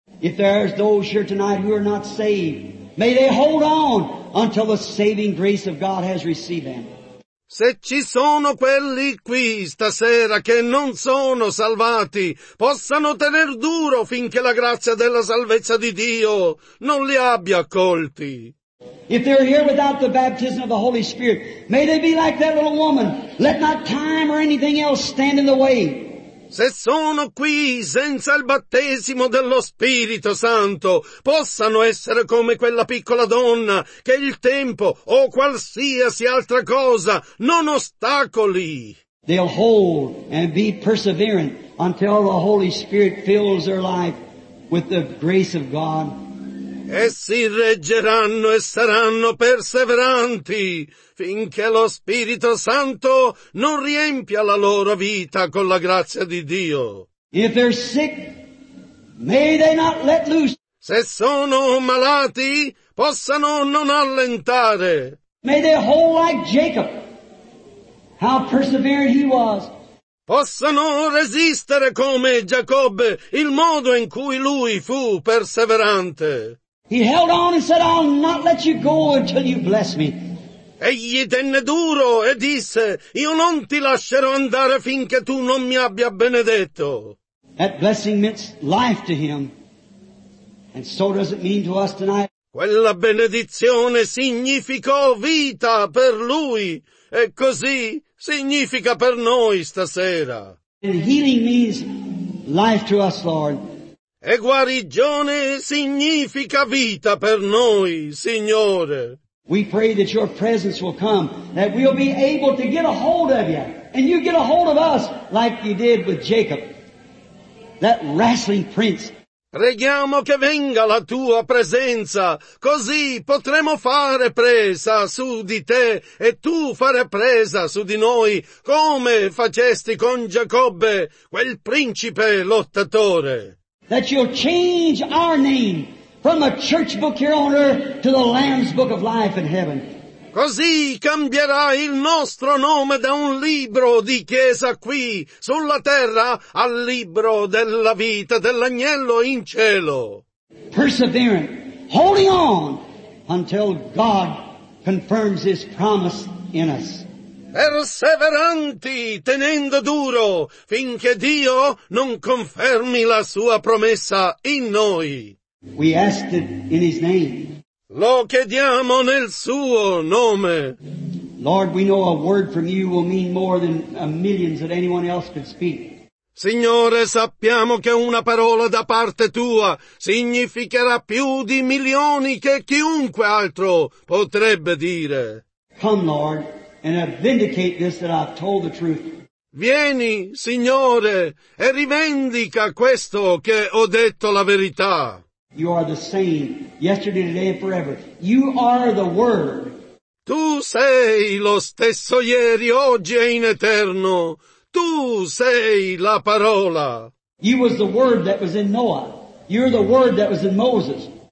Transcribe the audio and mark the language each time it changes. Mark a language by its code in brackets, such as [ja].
[en] If there's those here tonight who are not saved, may they hold on until the saving grace of God has received them. [it] Se ci sono quelli qui stasera che non sono salvati, possano tener duro finché la grazia della salvezza di Dio non li abbia accolti. [en] If they're here without the baptism of the Holy Spirit, may they be like that little woman. Let not time or anything else stand in the way. [it] Se sono qui senza il battesimo dello Spirito Santo, possano essere come quella piccola donna, che il tempo o qualsiasi altra cosa non ostacoli. [en] They'll hold and be perseverant until the Holy Spirit fills their life with the grace of God. [it] Essi reggeranno e saranno perseveranti finché lo Spirito Santo non riempia la loro vita con la grazia di Dio. [en] If they're sick, may they not let loose. [it] Se sono malati, possano non allentare. [en] May they hold like Jacob, how perseverant he was. [it] Possano resistere come Giacobbe, il modo in cui lui fu perseverante. [en] He held on and said, I'll not let you go until you bless me. [it] Egli tenne duro e disse, io non ti lascerò andare finché tu non mi abbia benedetto. [en] That blessing meant life to him. And so does it mean to us tonight. [it] Quella benedizione significò vita per lui. E così significa per noi stasera. [en] And healing means life to us, Lord. [it] E guarigione significa vita per noi, Signore. [en] We pray that your presence will come, that we'll be able to get a hold of you, and you get a hold of us like you did with Jacob, that wrestling prince. [it] Preghiamo che venga la tua presenza, così potremo fare presa su di te e tu fare presa su di noi, come facesti con Giacobbe, quel principe lottatore. [en] That you'll change our name from a church book here on earth to the Lamb's book of life in heaven. [it] Così cambierà il nostro nome da un libro di chiesa qui sulla terra al libro della vita dell'agnello in cielo. [en] Persevering, holding on until God confirms His promise in us. [it] Perseveranti, tenendo duro, finché Dio non confermi la sua promessa in noi. [en] We ask it in His name. [it] Lo chiediamo nel suo nome. [en] Lord, we know a word from you will mean more than millions that anyone else could speak. [it] Signore, sappiamo che una parola da parte tua significherà più di milioni che chiunque altro potrebbe dire. [en] Come, Lord. And I vindicate this that I've told the truth. [it] Vieni, Signore, e rivendica questo che ho detto la verità. [en] You are the same, yesterday, today, and forever. You are the Word. [it] Tu sei lo stesso ieri, oggi e in eterno. Tu sei la parola. [en] You was the Word that was in Noah. You're the Word that was in Moses.